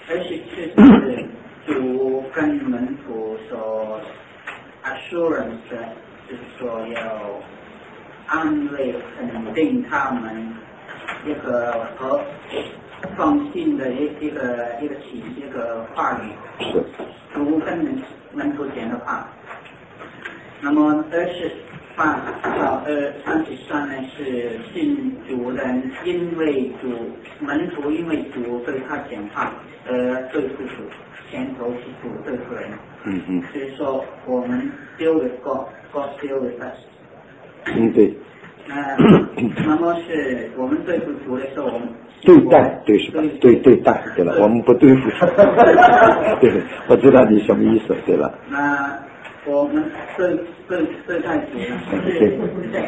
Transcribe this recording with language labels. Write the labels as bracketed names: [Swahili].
[Chinese] 24节主跟门徒说 assurance 就是说要安慰肯定他们一个和放心的一个话语，主跟门徒讲的话。那么28到33呢是信主人因为主门徒因为主对他讲话而对付主，前头是主对付人，嗯嗯，所以说我们 [English] deal with God, God deal with us。 [Chinese] 嗯，对。那么是我们对付主的时候，我们对待，对是吧？对对待，对了，我们不对付他。对，我知道你什么意思，对吧？那我们对待主呢？是不想